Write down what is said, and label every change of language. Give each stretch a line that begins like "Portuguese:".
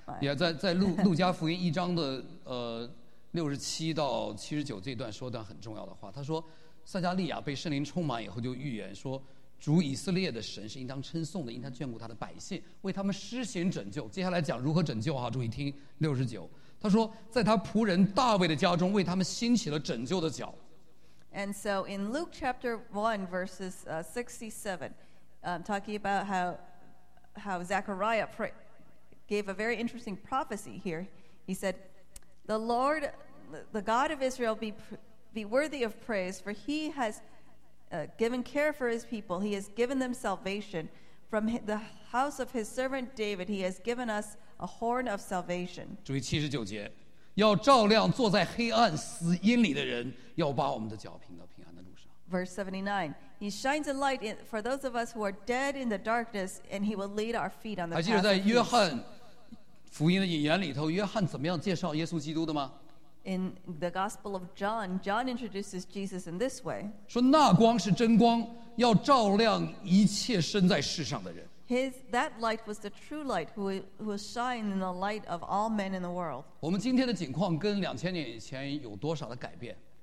Chinese: 也在路加福音一章的67到79这段说段很重要的话。他说，撒迦利亚被圣灵充满以后，就预言说，主以色列的神是应当称颂的，因他眷顾他的百姓，为他们施行拯救。接下来讲如何拯救哈，注意听69。他说，在他仆人大卫的家中，为他们兴起了拯救的脚。
English: And so in Luke chapter 1 verses 67。 Talking about how Zechariah gave a very interesting prophecy here. He said, "The Lord, the God of Israel, be worthy of praise, for He has given care for His people. He has given them salvation from the house of His servant David. He has given us a horn of salvation."
Chinese: 注意79节，要照亮坐在黑暗死荫里的人，要把我们的脚平到平安的路上。
English: Verse 79。 He shines a light for those of us who are dead in the darkness, and he will lead our feet on the path.
Chinese: 还记得在约翰福音的引言里头，约翰怎么样介绍耶稣基督的吗？
English: In the Gospel of John, John introduces Jesus in this way.
Chinese: 说那光是真光，要照亮一切身在世上的人。
English: That light was the true light, who shined in the light of all men in the world.
Chinese: 我们今天的景况跟2000年以前有多少的改变？